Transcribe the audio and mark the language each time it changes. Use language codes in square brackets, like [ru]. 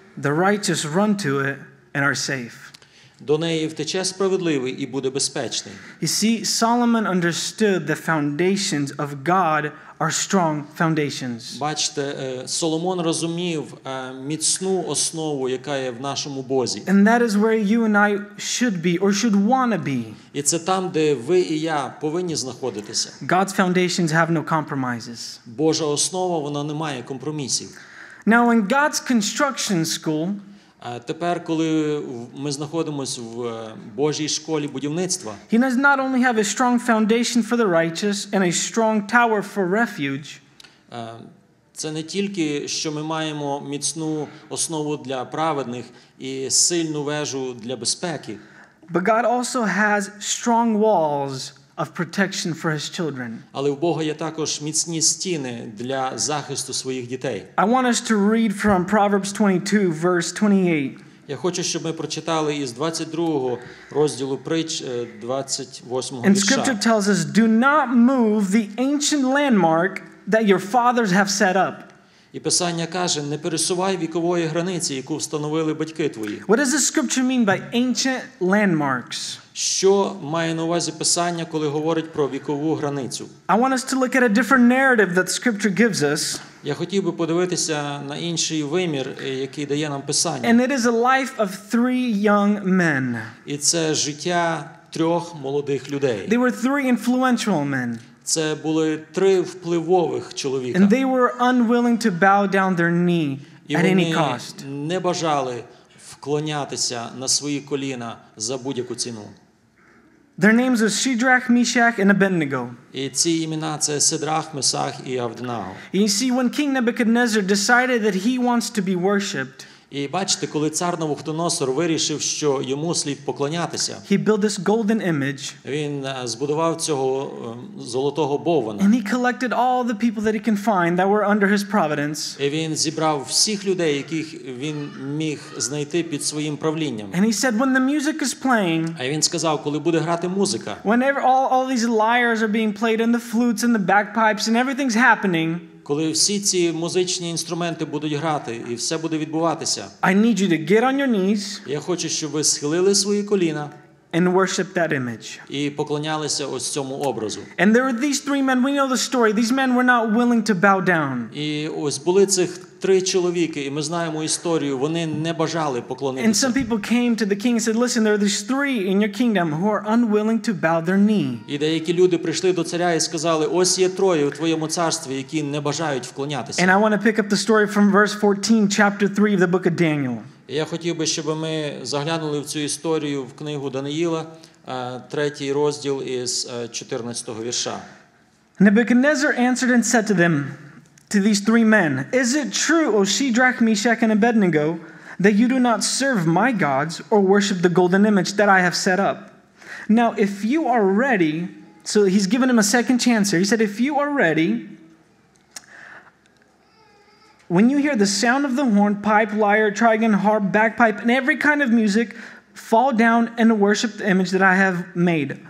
[en] The righteous run to it and are safe. [uk] До неї втече справедливий і буде безпечний. [en] You see, Solomon understood the foundations of God are strong foundations. [uk] Бачите, Соломон розумів міцну основу, яка є в нашому Бозі. [en] And that is where you and I should be or should want to be. [uk] І це там, де ви і я повинні знаходитися. [en] God's foundations have no compromises. [uk] Божа основа, вона не має компромісів. [en] Now in God's construction school, [uk] тепер, коли ми знаходимося в Божій школі будівництва, [en] he does not only have a strong foundation for the righteous and a strong tower for refuge. [uk] Це не тільки, що ми маємо міцну основу для праведних і сильну вежу для безпеки. [en] But God also has strong walls of protection for his children. [uk] Але в Бога є також міцні стіни для захисту своїх дітей. [en] I want us to read from Proverbs 22, verse 28. [uk] Я хочу, щоб ми прочитали із 22-го розділу притч 28-го вірша. [en] And scripture tells us, do not move the ancient landmark that your fathers have set up. [uk] І Писання каже, не пересувай вікової границі, яку встановили батьки твої. [en] What does the scripture mean by ancient landmarks? [uk] Що має на увазі Писання, коли говорить про вікову границю? [en] I want us to look at a different narrative that scripture gives us. [uk] Я хотів би подивитися на інший вимір, який дає нам Писання. [en] And it is a life of three young men. [uk] І це життя трьох молодих людей. [en] They were three influential men. [uk] Це були три впливових чоловіка. [en] And they were unwilling to bow down their knee at any cost. [uk] Не бажали вклонятися на свої коліна за будь-яку ціну. [en] Their names are Shadrach, Meshach, and Abednego. [uk] І ці імена – це Сидрах, Месах і Авденаго. [en] You see, when King Nebuchadnezzar decided that he wants to be worshipped, [uk] і бачите, коли цар Навуходоносор вирішив, що йому слід поклонятися, [en] he built this golden image, [uk] він збудував цього золотого бована. [en] And he collected all the people that he can find that were under his providence. [uk] І він зібрав всіх людей, яких він міг знайти під своїм правлінням. [en] And he said, when the music is playing, [uk] а він сказав, коли буде грати музика, [en] whenever all these lyres are being played and the flutes and the bagpipes and everything's happening, [uk] коли всі ці музичні інструменти будуть грати і все буде відбуватися, [en] I need you to get on your knees, [uk] я хочу, щоб ви схилили свої коліна [en] and worship that image. [uk] І поклонялися ось цьому образу. [en] And there were these three men, we know the story, these men were not willing to bow down. [uk] І ось були цих три чоловіки, і ми знаємо історію, вони не бажали поклонитися. [en] And some people came to the king and said, listen, there are these three in your kingdom who are unwilling to bow their knee. [uk] І деякі люди прийшли до царя і сказали, ось є троє у твоєму царстві, які не бажають вклонятися. [en] And I want to pick up the story from verse 14, chapter 3 of the book of Daniel. [uk] Я хотів би, щоб ми заглянули в цю історію в книгу Даниїла, третій розділ із 14-го вірша. [en] Nebuchadnezzar answered and said to them, to these three men, is it true, O Shadrach, Meshach, and Abednego, that you do not serve my gods or worship the golden image that I have set up? Now, if you are ready, so he's given him a second chance here. He said, if you are ready, when you hear the sound of the horn, pipe, lyre, trigon, harp, bagpipe, and every kind of music, fall down and worship the image that I have made.